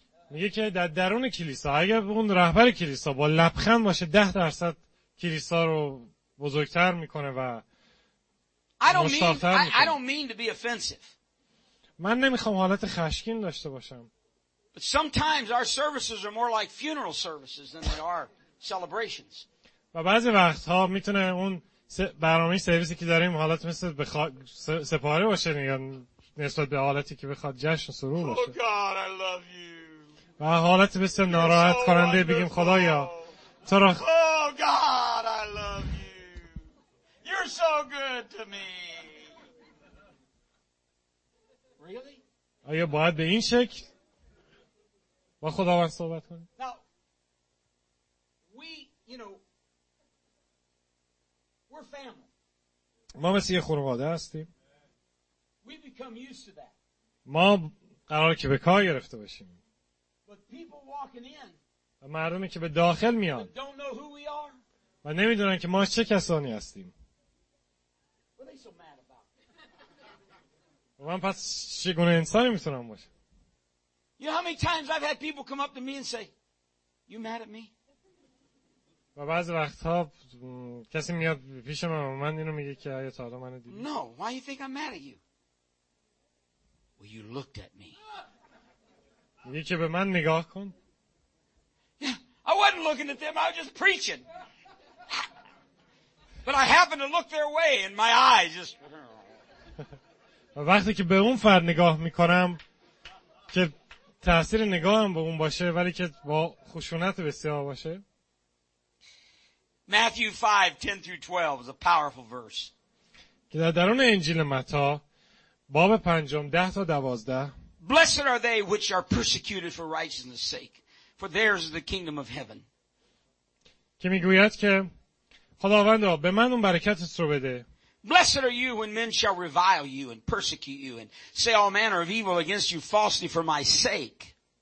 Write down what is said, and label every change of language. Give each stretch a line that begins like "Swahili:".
Persian: میگه که در درون کلیسا اگر اون رهبر کلیسا با لبخند باشه 10% کلیسا رو بزرگتر میکنه و
English: I don't mean to be offensive.
Persian: من نمیخوام حالت خشکین داشته باشم.
English: But sometimes our services are more like funeral services than they are celebrations.
Persian: و بعضی وقت‌ها میتونه اون برنامه سرویسی که داریم حالت مثل سپاره باشه یا نسبت به حالتی که بخواد جشن سرور باشه.
English: Oh God, I love you.
Persian: و حالت مثل ناراحت کننده بگیم خدایا تو را.
English: Oh God, I love you. You're so good to me. Really?
Persian: آیا باید به این شکل با خداوند صحبت کنیم؟
English: Now, we, you know, we're family.
Persian: ما مثل یه خانواده هستیم.
English: We become used to that.
Persian: ما قراره که به کار گرفته بشیم.
English: But people walking in,
Persian: و مردمی که به داخل میان
English: don't know who we are,
Persian: و نمیدونن که ما چه کسانی هستیم.
English: What are they so mad about?
Persian: و من پس چگونه انسانی میتونم باشم؟
English: You know how many times I've had people come up to me and say, "You mad at me?"
Persian: و بعضی وقت‌ها کسی میاد پیش من و من اینو میگه که آیا تا حالا منو دیدی؟
English: No, why you think I'm mad at you? Well, you looked at me.
Persian: میگه که به من نگاه کن.
English: I wasn't looking at them, I was just preaching. But I happened to look their way and my eye just
Persian: و وقتی که به اون فرد نگاه میکنم که تأثیر نگاهم به اون باشه ولی که با خشونت بسیار باشه.
English: Matthew 5:10-12 is a powerful verse.
Persian: که در درون انجیل متا باب پنجم 10 تا 12.
English: Blessed are they which are persecuted for righteousness' sake, for theirs is the kingdom of heaven.
Persian: که میگوید که خداوند به من اون برکتت رو بده.
English: Blessed are you when men shall revile you and persecute you and say all manner of evil against you falsely for my sake.